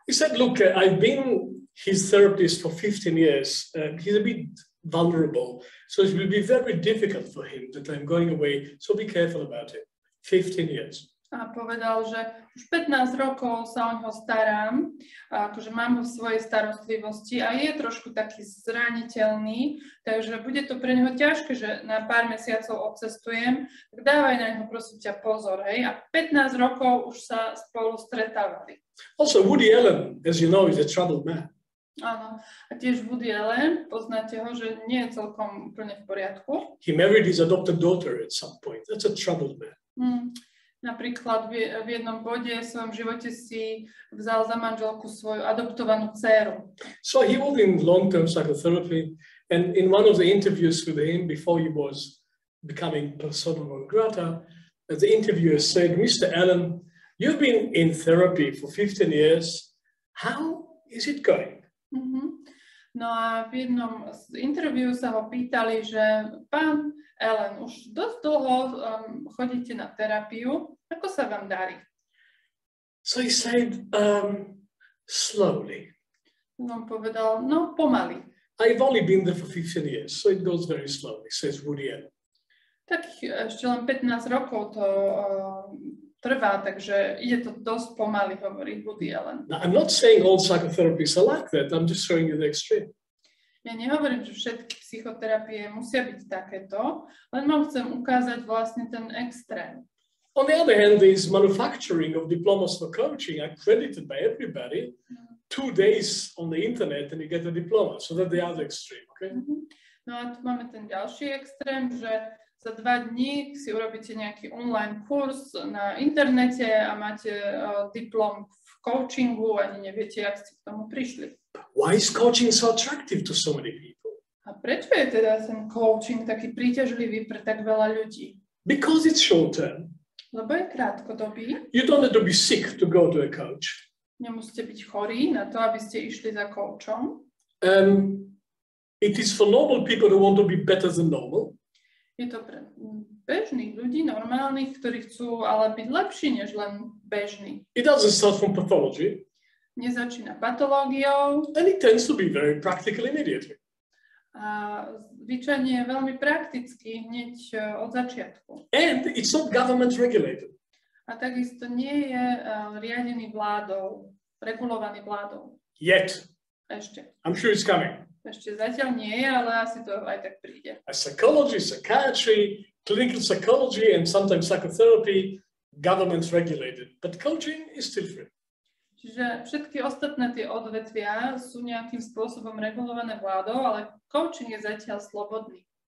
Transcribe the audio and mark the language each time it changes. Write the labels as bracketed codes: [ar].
[en] He said, look, I've been his therapist for 15 years. He's a bit vulnerable, so it will be very difficult for him that I'm going away, so be careful about it. 15 years. [sk] A povedal, že už 15 rokov sa o ňoho starám, akože mám ho v svojej starostlivosti a je trošku taký zraniteľný, takže bude to pre neho ťažké, že na pár mesiacov odcestujem, tak dávaj na neho prosím ťa pozor, hej, a 15 rokov už sa spolu stretávali. [en] Also Woody Allen, as you know, is a troubled man. [sk] Áno, a tiež Woody Allen, poznáte ho, že nie je celkom úplne v poriadku. [en] He married his adopted daughter at some point, that's a troubled man. [sk] Hmm. Napríklad v jednom bode v svojom živote si vzal za manželku svoju adoptovanú dcéru. [en] So he was in long-term psychotherapy, and in one of the interviews with him before he was becoming persona non grata, the interviewer said, Mr. Allen, you've been in therapy for 15 years, how is it going? Mm-hmm. [sk] No a v jednom z interviu sa ho pýtali, že pán Allen, už dosť dlho chodíte na terapiu, ako sa vám darí? [en] So he said, slowly. [sk] On povedal, no pomaly. [en] I've only been there for 15 years, so it goes very slowly, says Woody Allen. [sk] Tak ešte len 15 rokov to trvá, takže ide to dosť pomaly, hovorí Woody Allen. [en] Now, I'm not saying all psychotherapists are like that, I'm just showing you the extreme. [sk] Ja nehovorím, že všetky psychoterapie musia byť takéto, len vám chcem ukázať vlastne ten extrém. [en] On the other hand, this manufacturing of diplomas for coaching accredited by everybody, two days on the internet and you get a diploma, so that's the other extreme, okay? Mm-hmm. [sk] No a tu máme ten ďalší extrém, že za dva dní si urobíte nejaký online kurz na internete a máte diplom v coachingu, ani neviete, jak ste k tomu prišli. [en] Why is coaching so attractive to so many people? [sk] A prečo je teda ten coaching taký príťažlivý pre tak veľa ľudí? [en] Because it's short term. [sk] Lebo je krátkodobý. [en] You don't have to be sick to go to a coach. [sk] Nemusíte byť chorí na to, aby ste išli za coachom. [en] It is for normal people who want to be better than normal. [sk] Je to pre bežných ľudí, normálnych, ktorí chcú ale byť lepší než len bežní. [en] It doesn't start from pathology. [sk] Nezačína patológiou. [en] And it tends to be very practical immediately. [sk] A zvyčajne je veľmi praktický hneď od začiatku. [en] And it's not government regulated. [sk] A takisto nie je riadený vládou, regulovaný vládou. [en] Yet. [sk] Ešte. [en] I'm sure it's coming. [sk] Ešte zatiaľ nie je, ale asi to aj tak príde. [en] A psychology, psychiatry, clinical psychology and sometimes psychotherapy, government regulated. But coaching is still free. [sk] Čiže všetky ostatné tie odvetvia sú nejakým spôsobom regulované vládou, ale coaching je zatiaľ slobodný.